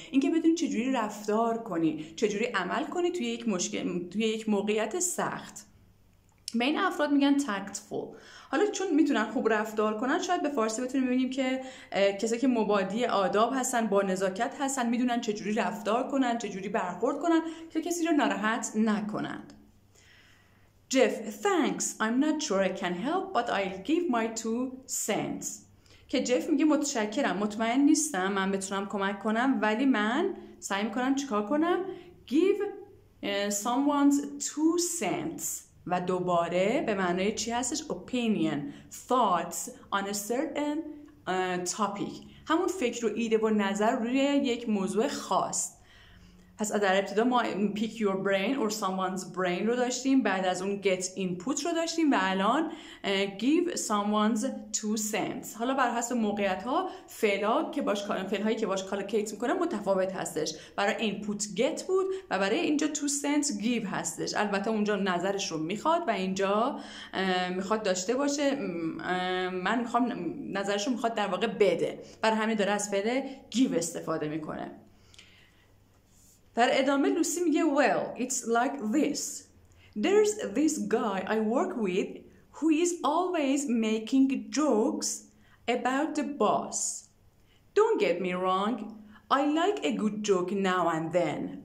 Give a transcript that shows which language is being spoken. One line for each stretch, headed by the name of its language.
Persian: اینکه بدونی چجوری رفتار کنی، چجوری عمل کنی توی یک مشکل، توی یک موقعیت سخت. بین افراد میگن tactful. حالا چون میتونن خوب رفتار کنن، شاید به فارسی بتونیم ببینیم که کسایی که مبادی آداب هستن، با نزاکت هستن، میدونن چجوری رفتار کنن، چجوری برخورد کنن که کسی رو ناراحت نکنند.
English: Jeff: Thanks, I'm not sure I can help, but I'll give my two cents.
Persian: که جف میگه متشکرم، مطمئن نیستم من بتونم کمک کنم، ولی من سعی میکنم چیکار کنم.
English: Give someone's two cents.
Persian: و دوباره به معنای چی هستش؟
English: opinion, thoughts on a certain topic.
Persian: همون فکر و ایده و نظر روی یک موضوع خاص. پس در ابتدا ما
English: pick your brain or someone's brain
Persian: رو داشتیم، بعد از اون
English: get input
Persian: رو داشتیم و الان
English: give someone's two cents.
Persian: حالا بر حسب موقعیت ها فعلهایی که باش collocate میکنه متفاوت هستش. برای input get بود و برای اینجا two cents give هستش. البته اونجا نظرش رو میخواد و اینجا میخواد داشته باشه، من میخوام نظرش رو میخواد در واقع بده. برای همین داره از فعل give استفاده میکنه. در ادامه لوسی میگه
English: Well, it's like this. There's this guy I work with who is always making jokes about the boss. Don't get me wrong, I like a good joke now and then.